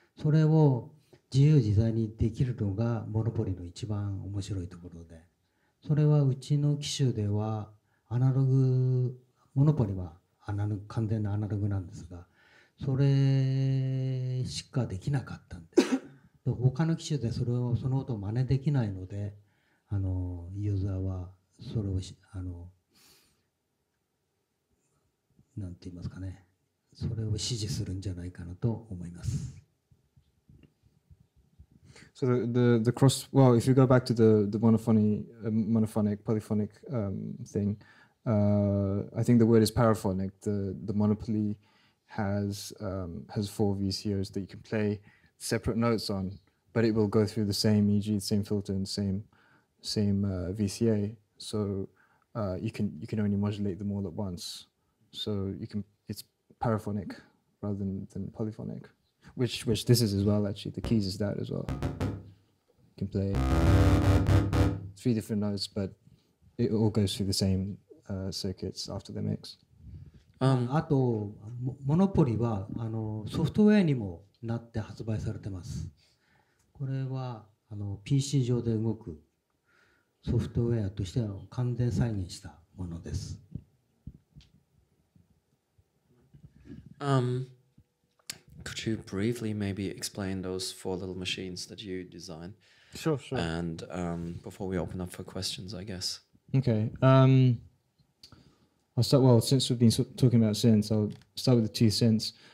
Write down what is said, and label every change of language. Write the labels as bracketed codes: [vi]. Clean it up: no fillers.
[ja] それを自由自在にできるのがモノポリの一番面白いところで、それはうちの機種ではアナログ、モノポリは完全なアナログなんですが、それしかできなかったんです。で、他の機種でその音を真似できないので、ユーザーはそれを何て言いますかね、それを支持するんじゃないかなと思います。 [en] So the cross, well, if you go back to the monophonic polyphonic thing, I think the word is paraphonic. The monopoly has four VCOs that you can play separate notes on, but it will go through the same EG, the same filter, and same VCA. So you can only modulate them all at once. So you can. Paraphonic rather than polyphonic, which this is as well. Actually, the keys is that as well. You can play three different notes, but it all goes through the same circuits after the mix. [ja] あとモノポリはソフトウェアにもなって発売されてます。これはPC 上で動くソフトウェアとしての完全再現したものです。 [en] Could you briefly maybe explain those four little machines that you designed? Sure. And before we open up for questions, I guess. Okay. I'll start. Well, since we've been talking about synths, I'll start with the two synths.